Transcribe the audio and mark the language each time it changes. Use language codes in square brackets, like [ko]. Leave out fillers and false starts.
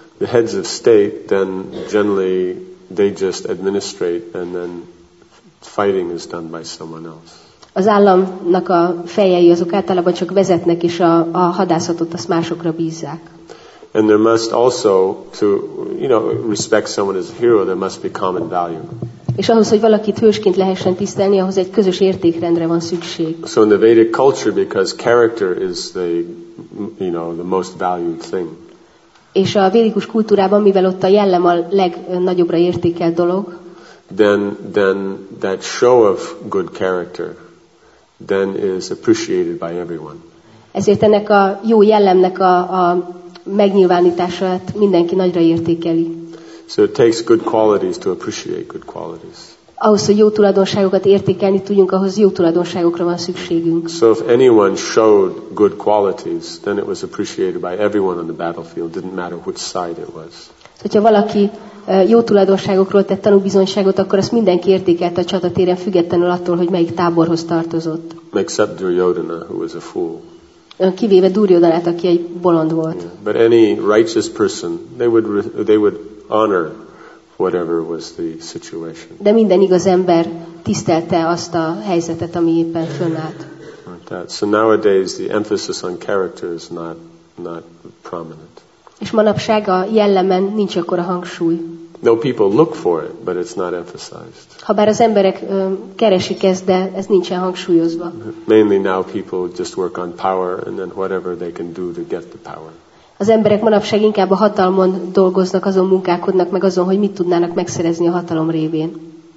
[en] The heads of state then generally they just administrate and then fighting is done by someone else. [hu] Az államnak a fejei azok általában csak vezetnek és a hadászatot azt másokra bízzák. [en] And there must also to you know respect someone as a hero there must be common value. [hu] És ahhoz, hogy valakit hősként lehessen tisztelni, ahhoz egy közös értékrendre van szükség. [en] So in the Vedic culture, because character is the, you know, the most valued thing. [hu] És a védikus kultúrában, mivel ott a jellem a legnagyobbra értékelt dolog. [en] Then that show of good character, then is appreciated by everyone. [hu] Ezért ennek a jó jellemnek a megnyilvánítását mindenki nagyra értékeli. [en] So it takes good qualities to appreciate good qualities. [hu] Ahhoz, hogy jó tulajdonságokat értékelni tudjunk, ahhoz jó tulajdonságokra van szükségünk. [en] So if anyone showed good qualities, then it was appreciated by everyone on the battlefield, didn't matter which side it was. [hu] Hogyha valaki jó tulajdonságokról tett tanúbizonyságot, akkor azt mindenki értékelte a csatatéren, függetlenül attól, hogy melyik táborhoz tartozott. [en] Except Duryodhana, who was a fool. [hu] Kivéve Duryodhanát, aki egy bolond volt. [en] Yeah. But any righteous person, they would honor whatever was the situation. [hu] De minden igaz ember tisztelte azt a helyzetet, ami éppen fönnállt. [en] Right, so nowadays the emphasis on character is not prominent. [hu] És manapság a jellemen nincs akkora hangsúly. [en] No, people look for it, but it's not emphasized. [hu] Habár az emberek keresik ezt, de ez nincsen hangsúlyozva. [en] Mainly now people just work on power and then whatever they can do to get the power. [hu] Az emberek manapság inkább a hatalmon dolgoznak, azon munkálkodnak, meg azon, hogy mit tudnának megszerezni a hatalom révén.